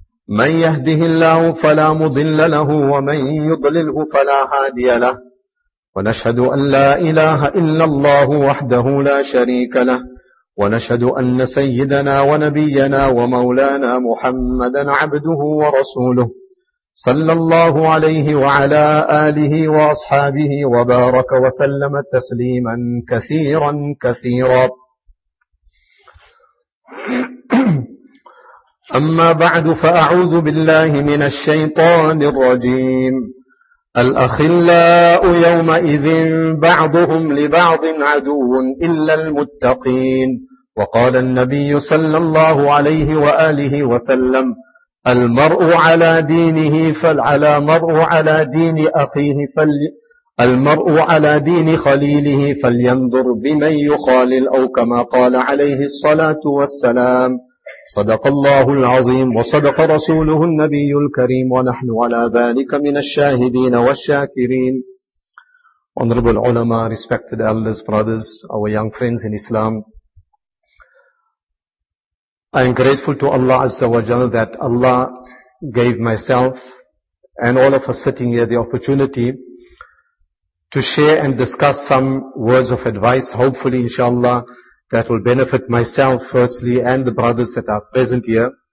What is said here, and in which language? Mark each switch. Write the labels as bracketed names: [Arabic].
[Arabic] man yahdihillahu fala mudilla lahu wa man yudlilhu fala hadiya lahu wa nashhadu an la ilaha illallah wahdahu la sharika lahu ونشهد أن سيدنا ونبينا ومولانا محمدًا عبده ورسوله صلى الله عليه وعلى آله وأصحابه وبارك وسلم تسليمًا كثيرًا كثيرًا. أما بعد فأعوذ بالله من الشيطان الرجيم. الأخلاء يومئذ بعضهم لبعض عدو إلا المتقين. وقال النبي صلى الله عليه وآله وسلم: المرء على دينه فالعلى مرء على دين أخيه المرء على دين خليله فلينظر بمن يخالل، أو كما قال عليه الصلاة والسلام. صدق الله العظيم وصدق رسوله النبي الكريم ونحن على ذلك من الشاهدين والشاكرين. [English] Honorable ulama, respected elders, brothers, our young friends in Islam, I am grateful to Allah Azza wa Jal that Allah gave myself and all of us sitting here the opportunity to share and discuss some words of advice, hopefully inshallah that will benefit myself firstly and the brothers that are present here.